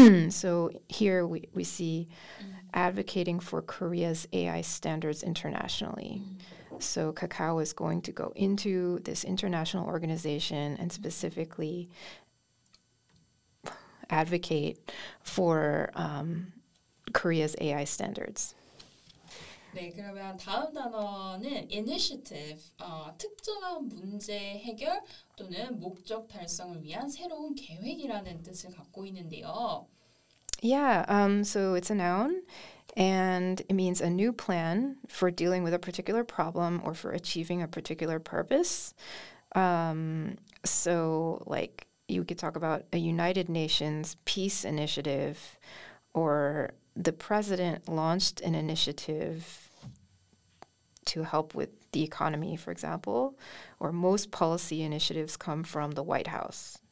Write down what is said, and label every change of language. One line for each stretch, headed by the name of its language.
English: so here we see advocating for Korea's AI standards internationally. So Kakao is going to go into this international organization and specifically advocate for Korea's AI standards.
Korean: 네, 그러면 다음 단어는 initiative, 특정한 문제 해결 또는 목적 달성을 위한 새로운 계획이라는 뜻을 갖고 있는데요.
English: So it's a noun, and it means a new plan for dealing with a particular problem or for achieving a particular purpose. So, like, you could talk about a United Nations peace initiative, or the president launched an initiative to help with the economy, for example, or most policy initiatives come from the White House.